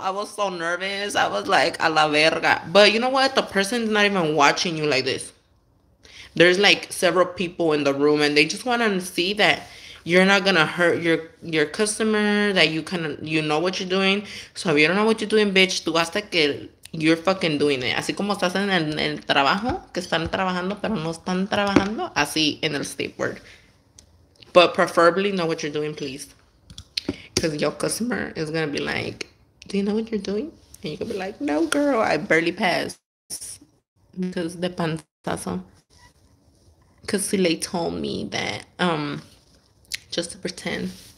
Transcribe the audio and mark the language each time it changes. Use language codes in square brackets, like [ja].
[en] I was so nervous. I was like, [es] a la verga. [en] But you know what? The person's not even watching you like this. There's like several people in the room and they just want to see that you're not going to hurt your customer, that you kind of, you know what you're doing. So if you don't know what you're doing, bitch, [es] tú hasta que [en] you're fucking doing it. [es] Así como estás en el trabajo, que están trabajando, pero no están trabajando, así en el state board. [en] But preferably know what you're doing, please. Because your customer is going to be like, do you know what you're doing? And you're going to be like, no, girl, I barely passed. Because [es] de panzazo. [en] Because Zulay told me that, just to pretend.